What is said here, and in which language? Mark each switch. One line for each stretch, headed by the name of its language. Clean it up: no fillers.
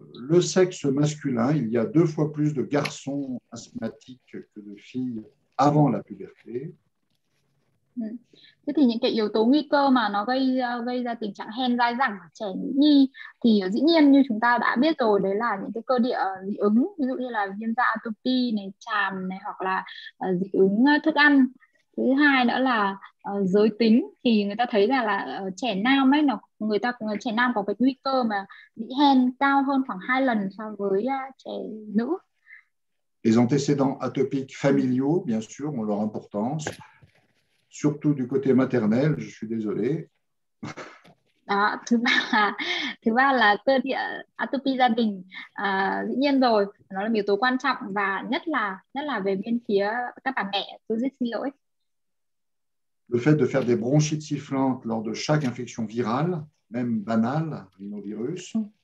French: Le sexe masculin, il y a deux fois plus de garçons asthmatiques que de filles avant la puberté.
Vietnamese: Thế thì những cái yếu tố nguy cơ mà nó gây gây ra tình trạng hen dai dẳng ở trẻ nhi thì dĩ nhiên như chúng ta đã biết rồi, đấy là những cái cơ địa dị ứng, ví dụ như là viêm da atopy này, chàm này, hoặc là dị ứng thức ăn. Thứ hai nữa là giới tính, thì người ta thấy rằng là trẻ nam ấy, nó người ta trẻ nam có cái nguy cơ mà bị hen cao hơn khoảng 2 lần so với trẻ nữ.
French: Les antécédents atopiques familiaux, bien sûr, ont leur importance. Surtout du côté maternel, je suis désolé.
Vietnamese: Đó, thứ ba là cơ địa atopy gia đình, dĩ nhiên rồi, nó là yếu tố quan trọng, và nhất là về bên phía các bà mẹ, tôi rất xin lỗi.
French: Le fait de faire des bronchites sifflantes lors de chaque infection virale, même banale, rhinovirus.